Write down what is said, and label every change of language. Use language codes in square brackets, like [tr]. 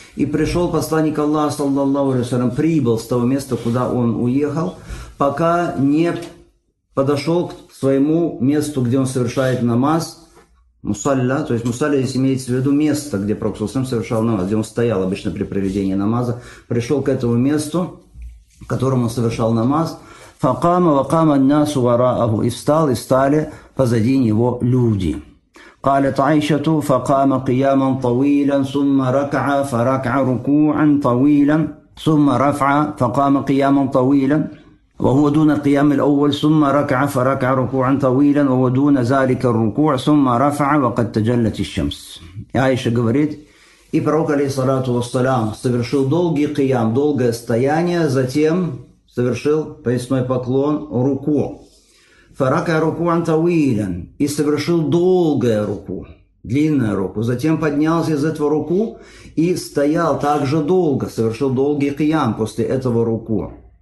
[ru] И пришел посланник Аллаха саллаллаху алейхи ва саллям, прибыл с того места, куда он уехал, пока не подошел к своему месту, где он совершает намаз, мусалля, то есть мусалля здесь имеется в виду место, где Пророк Саусалям совершал намаз, где он стоял обычно при проведении намаза, пришел к этому месту, к которому он совершал намаз, [ar] факама вакама насу вараху, [ru] и встал, и стали позади него люди. [ar] Калят Айшату, факама кияман тауилан, сумма рака'а, фарака'а руку'ан тауилан, сумма рафа'а, факама кияман тауилан. وهو دون القيام الأول ثم ركع فركع ركوعا طويلا وهو دون ذلك الركوع ثم رفع وقد تجلت الشمس. [ru] Айша говорит, и пророк алейхиссалату вассалям совершил долгий киям, долгое стояние, затем совершил поясной поклон руку. [ar] فركع ركوعا طويلا, [ru] и совершил долгое руку, длинное руку. Затем поднялся из этого руку и стоял также долго, совершил долгий киям после этого руку.